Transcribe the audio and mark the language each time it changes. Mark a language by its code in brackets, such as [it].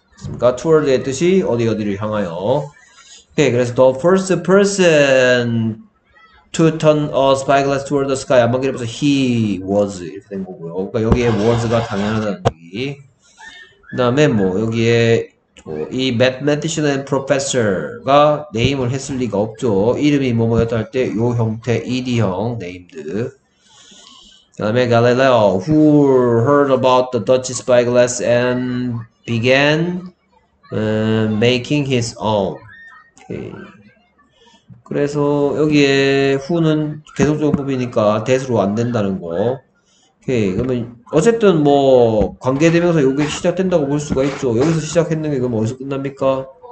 [ko] 그러니까 toward의 뜻이 어디를 향하여. 오케이, 그래서 [en] the first person to turn a spyglass toward the sky [ko] 한번 길어봐서 he was 이렇게 된 거고요. 그러니까 여기에 was가 당연하다는 얘기. 그다음에 뭐 여기에 이 [en] mathematician and professor [ko] 가 네임을 했을 리가 없죠. 이름이 뭐뭐였다 할때요 형태 ed형 네임드. [en] 그다음에 Galileo who heard about the Dutch spyglass and began making his own. Okay. [ko] 그래서 여기에 후는 계속적 분법이니까 대수로 안 된다는 거. Okay. 그러면 어쨌든 뭐 관계대명사 요게 시작된다고 볼 수가 있죠. 여기서 시작했는 게 그럼 어디서 끝납니까?